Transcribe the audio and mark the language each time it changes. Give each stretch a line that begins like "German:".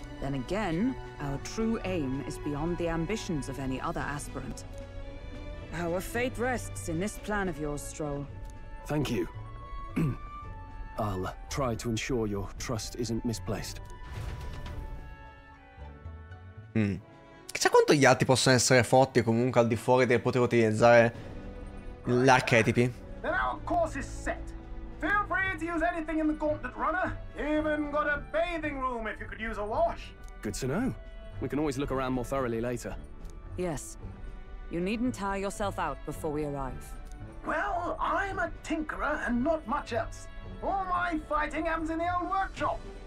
English: Then again, our true aim is beyond the ambitions of any other aspirant. Our fate rests in this plan of yours, Stroll. Thank you. I'll try to ensure your trust isn't misplaced.
Italian: Chissà quanto gli altri possono essere forti comunque al di fuori del poter utilizzare gli archetipi.
English: Then our course is set. Feel free to use anything in the Gauntlet Runner. Even got a bathing room if you could use a wash. Good to know. We can always look around more thoroughly later. Yes. You needn't tire yourself out before we arrive. Well, I'm a tinkerer and not much else. All my fighting happens in the old workshop.